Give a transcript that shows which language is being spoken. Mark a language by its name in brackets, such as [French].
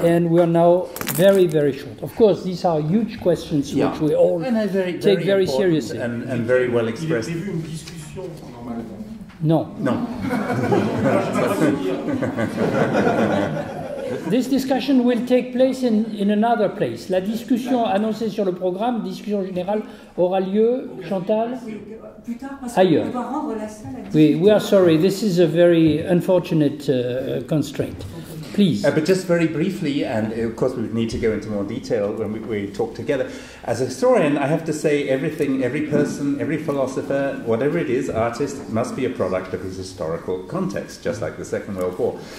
[English] And we are now very, very short. Of course, these are huge questions, yeah. Which we all take very seriously. And very well expressed. [French] Il y a prévu une discussion, normalement. [English] No. No. This discussion will take place in another place. [French] La discussion annoncée sur le programme, discussion générale, aura lieu, Chantal, ailleurs. [English] We are sorry, this is a very unfortunate constraint. Please. But just very briefly, and of course we would need to go into more detail when we talk together. As a historian, I have to say everything, every person, every philosopher, whatever it is, artist, must be a product of his historical context, just like the Second World War.